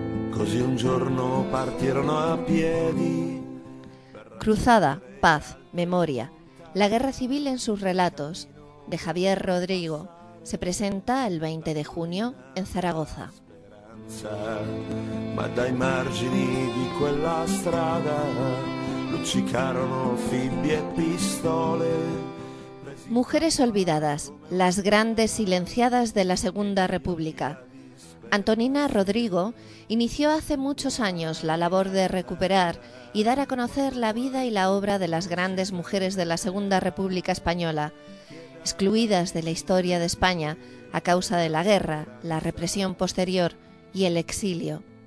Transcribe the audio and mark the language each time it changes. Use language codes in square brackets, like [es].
[it] Così un giorno partirono a piedi. [es] Cruzada, Paz, Memoria, La Guerra Civil en sus relatos, de Javier Rodrigo, se presenta el 20 de junio en Zaragoza. [it] Ma dai margini di quella strada luccicarono fibbie e pistole. [es] Mujeres olvidadas, las grandes silenciadas de la Segunda República. Antonina Rodrigo inició hace muchos años la labor de recuperar y dar a conocer la vida y la obra de las grandes mujeres de la Segunda República Española, excluidas de la historia de España a causa de la guerra, la represión posterior y el exilio.